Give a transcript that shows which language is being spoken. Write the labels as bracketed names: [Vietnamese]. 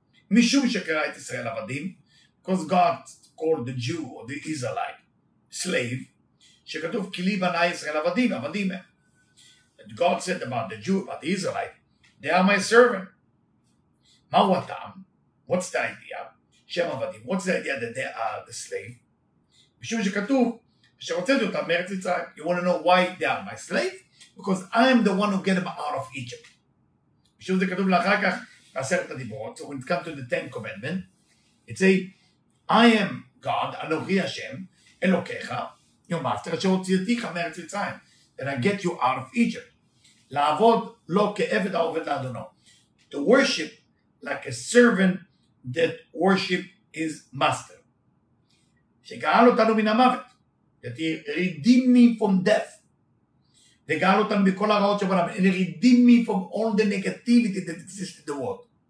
[Hebrew] משום שקרא את ישראל עבדים, [English] because God called the Jew or the Israelite slave, [Hebrew] שכתוב כלי בני ישראל עבדים, עבדים הם. [English] And God said about the Jew, about the Israelite, they are my servant. [Hebrew] מהו הטעם? [English] What's the idea? [Hebrew] שם עבדים. [English] What's the idea that they are the slave? [Hebrew] משום שכתוב, שרוצאתי אותם מארץ ישראל, [English] you want to know why they are my slave? Because I am the one who get them out of Egypt. [Hebrew] משום זה כתוב לאחר כך, עשרת הדיברות, [English] so when it comes to the Ten Commandments, it's a, I am God, [Hebrew] אלוהי השם, אלוקיך, [English] your master, [Hebrew] שהוציאתיך מארץ מצרים, [English] and I get you out of Egypt. [Hebrew] לעבוד לא כעבד העובד לאדונו. [English] To worship like a servant that worship his master. [Hebrew] שגאל אותנו מן המוות, [English] that he redeemed me from death. [Hebrew] וגאל אותנו מכל הרעות שבעולם, [English] and he redeemed me from all the negativity that exists in the world.